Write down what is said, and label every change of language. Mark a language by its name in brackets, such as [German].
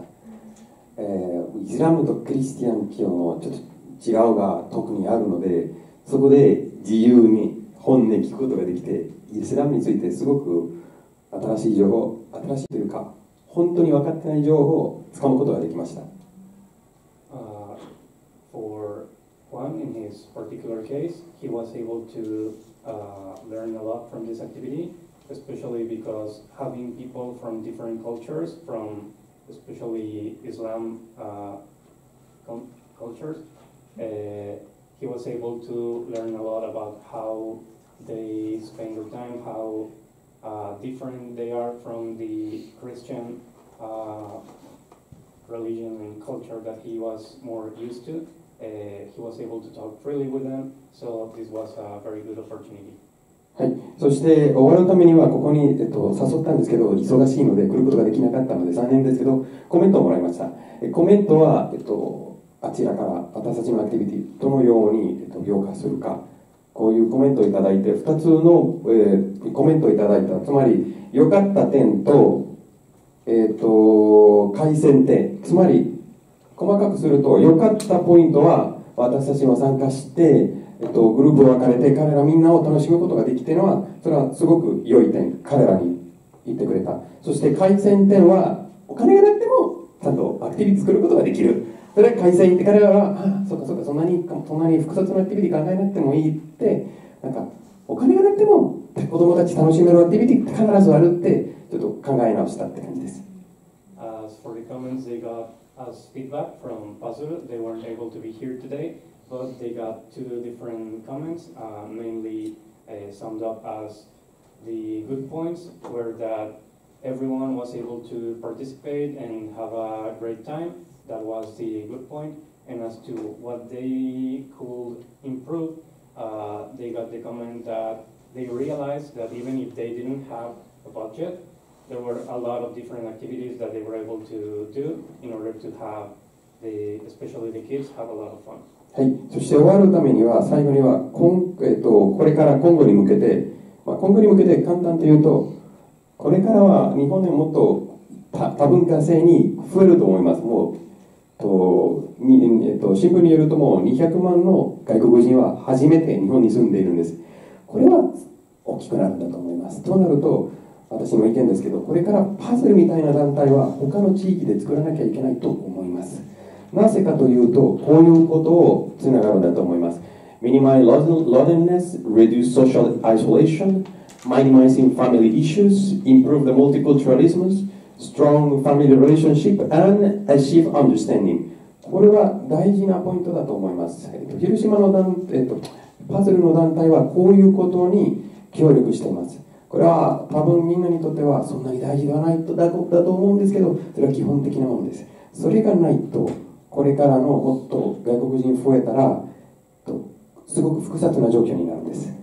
[Japanese] イスラムとクリスティアン教のちょっと違うが特にあるので、そこで自由に本音聞くことができて、イスラムについてすごく新しい情報、新しいというか本当に分かってない情報を掴むことができました。 [English] For Juan, in his particular case, he was able to learn a lot from this activity, especially because having people from different cultures, fromespecially Islam cultures, he was able to learn a lot about how they spend their time, how different they are from the Christian religion and culture that he was more used to, he was able to talk freely with them, so this was a very good opportunity. [Japanese] はい、そして終わるためにはここに、誘ったんですけど、忙しいので来ることができなかったので残念ですけど、コメントをもらいました。コメントは、あちらから私たちのアクティビティどのように、評価するか、こういうコメントをいただいて、2つの、コメントをいただいた、つまり良かった点と、改善点、つまり細かくすると良かったポイントは私たちも参加して、グループを分かれて彼らみんなを楽しむことができているのは、それはすごく良い点、彼らに言ってくれた。そして改善点はお金がなくてもちゃんとアクティビティ作ることができる。それは改善って彼らは、そうかそうか、そんなに複雑なアクティビティ考えなくてもいいって、なんかお金がなくても子供たち楽しめるアクティビティって必ずあるってちょっと考え直したって感じです。 [English] As for the comments, they got as feedback from Puzzle. They weren't able to be here today, but they got two different comments, mainly summed up as the good points were that everyone was able to participate and have a great time. That was the good point. And as to what they could improve, they got the comment that they realized that even if they didn't have a budget, there were a lot of different activities that they were able to do in order to have the, especially the kids, have a lot of fun. [Japanese] はい、そして終わるためには、最後には今、これから今後に向けて、まあ、今後に向けて簡単というと、これからは日本でもっと多文化性に増えると思います。もう、新聞によるともう200万の外国人は初めて日本に住んでいるんです。これは大きくなるんだと思います。となると、私の意見ですけど、これからパズルみたいな団体は他の地域で作らなきゃいけないと思います。なぜかというと、こういうことをつながるんだと思います。 [English] Minimize loneliness, reduce social isolation. Minimizing family issues, improve the multiculturalism, strong family relationship, and achieve understanding. [Japanese] これは大事なポイントだと思います。広島の団、パズルの団体はこういうことに協力しています。これは多分みんなにとってはそんなに大事ではないとだと思うんですけど、それは基本的なものです。それがないと、これからのもっと外国人増えたら、すごく複雑な状況になるんです。